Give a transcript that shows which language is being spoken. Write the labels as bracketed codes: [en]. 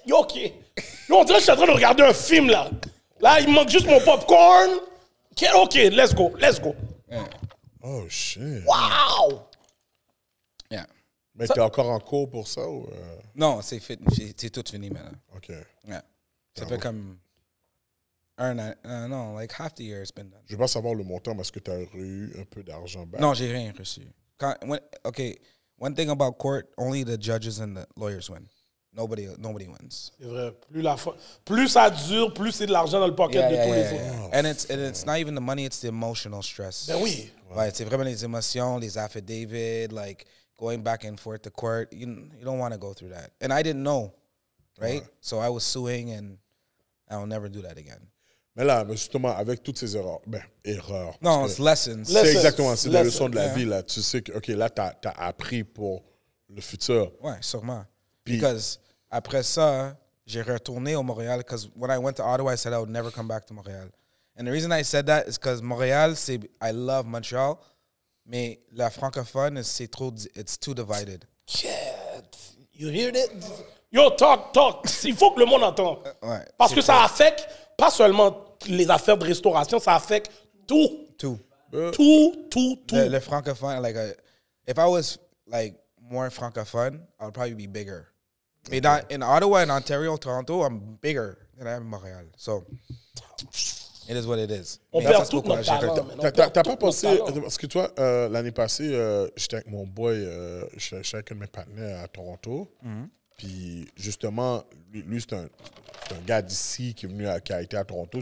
[fr] Yo, on dirait que je suis en train de regarder un film, là. Là, il manque juste mon popcorn. [en] Ok, let's go, let's go. Yeah. Oh, shit. Wow! Yeah. [fr] Mais ça, t'es encore en cours pour ça, ou... Non, c'est tout fini, maintenant. Ok. Yeah. Ça fait comme... [en] Non, like half the year it's been done. [fr] Je veux pas savoir le montant, mais est-ce que t'as eu un peu d'argent back? Non, j'ai rien reçu. Ok. [en] One thing about court, only the judges and the lawyers win. Nobody wins. [fr] C'est vrai. Plus ça dure, plus c'est de l'argent dans le pocket [en] And it's not even the money, it's the emotional stress. [fr] Ben oui. Ouais. Ouais, c'est vraiment les émotions, les affidavits, [en] like going back and forth to court. You don't want to go through that. And I didn't know, right? Ouais. So I was suing and I'll never do that again. [fr] Mais là, justement, avec toutes ces erreurs, ben, erreurs. Non, c'est lessons. C'est [en] lessons. [fr] Exactement, c'est lessons. Des leçons de la vie, là. Tu sais que, OK, là, t'as appris pour le futur. Oui, sûrement. [en] Puis, because [fr] après ça, j'ai retourné au Montréal, [en] because when I went to Ottawa, I said I would never come back to Montréal. And the reason I said that is because Montréal, c'est, I love Montreal, [fr] mais la francophone, c'est trop, [en] it's too divided. Yeah, you hear that? Yo, talk. [fr] Il faut que le monde entend. Ouais. Parce que ça affecte... Pas seulement les affaires de restauration, ça affecte tout. Tout. Tout. [en] Le francophone, like, if I was, like, more francophone, I would probably be bigger. Mais okay. In Ottawa, in Ontario, Toronto, I'm bigger than I am in Montréal. So, it is what it is. [fr] On perd tout notre talent. T'as pas pensé, parce que toi, l'année passée, j'étais avec mon boy, j'étais avec un de mes partenaires à Toronto. Mm-hmm. Puis, justement, lui c'est un gars d'ici qui est venu qui a été à Toronto.